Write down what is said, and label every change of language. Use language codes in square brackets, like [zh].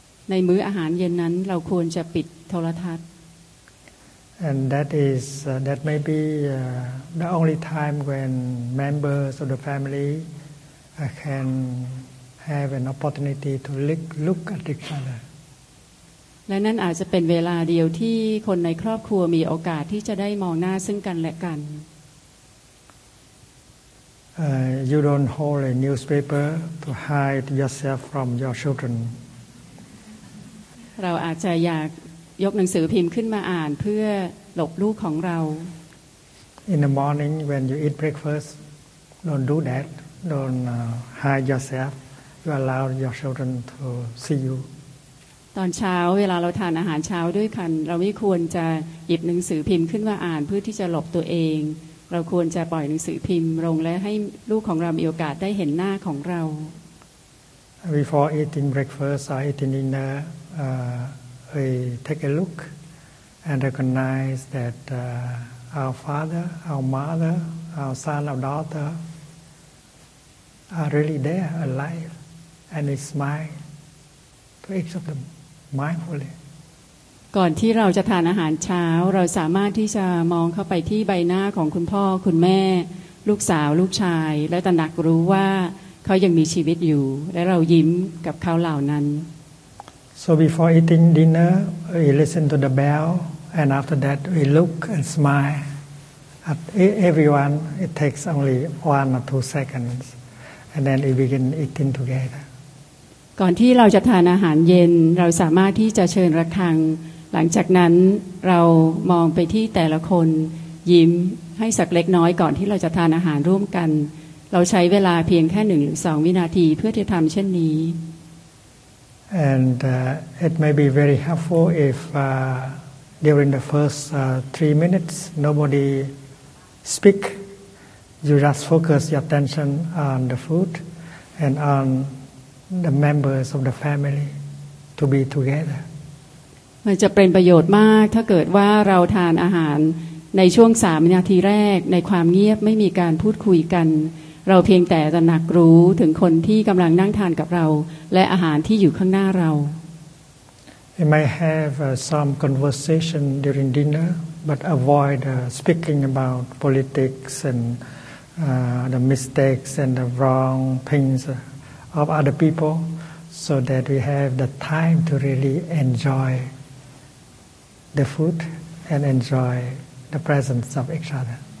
[th] ในมื้ออาหารเย็นนั้นเราควรจะปิดโทรทัศน์ [en] and that is that may be the only time when members of the family can have an opportunity to look at each other [th] และนั่นอาจจะเป็นเวลาเดียวที่คนในครอบครัวมีโอกาสที่จะได้มองหน้าซึ่งกันและกัน [en] You don't hold a newspaper to hide yourself from your children. [th] เราอาจจะอยากยกหนังสือพิมพ์ขึ้นมาอ่านเพื่อหลบลูกของเรา [en] In the morning when you eat breakfast, don't do that. Don't hide yourself. You allow your children to see you. [th] ตอนเช้าเวลาเราทานอาหารเช้าด้วยกันเราไม่ควรจะหยิบหนังสือพิมพ์ขึ้นมาอ่านเพื่อที่จะหลบตัวเองเราควรจะปล่อยหนังสือพิมพ์ลงและให้ลูกของเรามีโอกาสได้เห็นหน้าของเรา [en] Before eating breakfast or eating dinner we take a look and recognize that our father, our mother, our son, our daughter are really there alive and they smile to each of them mindfully. [th] ก่อนที่เราจะทานอาหารเช้าเราสามารถที่จะมองเข้าไปที่ใบหน้าของคุณพ่อคุณแม่ลูกสาวลูกชายและตระหนักรู้ว่าเขายังมีชีวิตอยู่และเรายิ้มกับเขาเหล่านั้น [en] So before eating dinner we listen to the bell and after that we look and smile at everyone it takes only 1 or 2 seconds and then we begin eating together [th] ก่อนที่เราจะทานอาหารเย็นเราสามารถที่จะเชิญระฆังหลังจากนั้นเรามองไปที่แต่ละคนยิ้มให้สักเล็กน้อยก่อนที่เราจะทานอาหารร่วมกันเราใช้เวลาเพียงแค่1 หรือ 2 วินาทีเพื่อที่จะทำเช่นนี้ [en] And it may be very helpful if during the first 3 minutes nobody speak you just focus your attention on the food and onthe members of the family to be together [th] มันจะเป็นประโยชน์มากถ้าเกิดว่าเราทานอาหารในช่วง3 นาทีแรกในความเงียบไม่มีการพูดคุยกันเราเพียงแต่ตระหนักรู้ถึงคนที่กำลังนั่งทานกับเราและอาหารที่อยู่ข้างหน้าเรา [en] We may have some conversation during dinner but avoid speaking about politics and the mistakes and the wrong thingsof other people so that we have the time to really enjoy the food and enjoy the presence of each other